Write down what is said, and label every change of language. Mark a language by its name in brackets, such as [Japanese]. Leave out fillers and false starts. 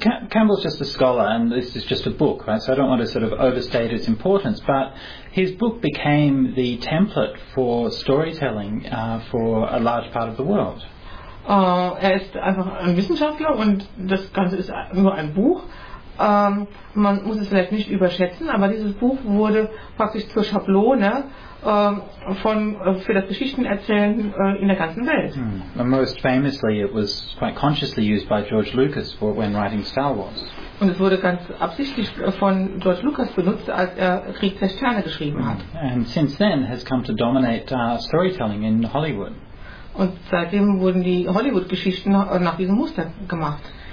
[English] Campbell's just a scholar, and this is just a book, right? So I don't want to sort of overstate its importance, but his book became the template for storytelling for a large part of the world. [German] Er ist einfach ein Wissenschaftler, und das Ganze ist nur ein Buch. Man muss es vielleicht nicht überschätzen, aber dieses Buch wurde praktisch zur Schablone für das Geschichtenerzählen in der ganzen Welt. [English] Most famously, it was quite consciously used by George Lucas when writing Star Wars. [German] Und es wurde ganz absichtlich von George Lucas benutzt, als er Krieg der Sterne geschrieben hat. [English] And since then has come to dominate storytelling in Hollywood. [German] Und seitdem wurden die Hollywood-Geschichten nach diesem Muster gemacht.